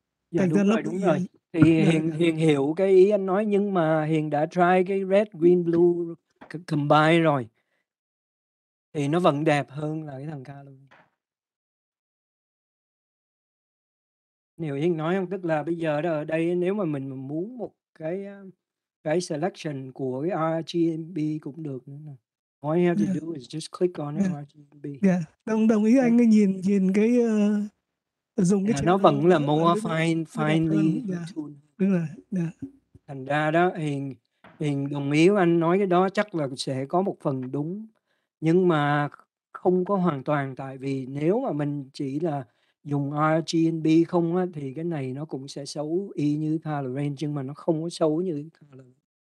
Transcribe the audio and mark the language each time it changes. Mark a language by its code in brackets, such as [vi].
[vi] Dạ, thành đúng rồi, đúng rồi. Thì hiện hiểu cái ý anh nói, nhưng mà hiện đã try cái red, green, blue combine rồi. Thì nó vẫn đẹp hơn là cái thằng ca luôn. Hiểu Hiên nói không? Tức là bây giờ đó, ở đây nếu mà mình muốn một cái selection của cái RGB cũng được nữa. [en] All you have to do is just click on RGB. [vi] Đồng ý anh ấy nhìn cái dùng cái nó vẫn là [en] more fine, finely tuned. [vi] Đúng rồi. Thành ra đó, Hiên đồng ý anh nói cái đó chắc là sẽ có một phần đúng. Nhưng mà không có hoàn toàn, tại vì nếu mà mình chỉ là dùng RGB không á, thì cái này nó cũng sẽ xấu y như color range, nhưng mà nó không có xấu như color range.